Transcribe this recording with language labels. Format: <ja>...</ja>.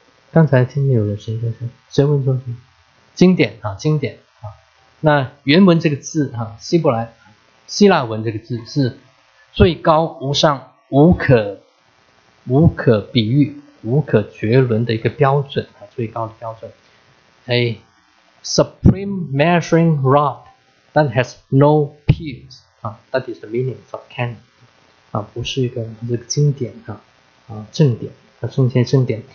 <zh>刚才听见有人声音说，谁问说什么？经典啊，经典啊。那原文这个字哈、啊，希伯来、希腊文这个字是最高无上、无可比喻、无可绝伦的一个标准啊，最高的标准。</zh> <en>A supreme measuring rod that has no peers 啊 ，That is the meaning of canon。</en> <zh>啊、不是一个这个经典啊，啊正典啊，圣经正典。</zh>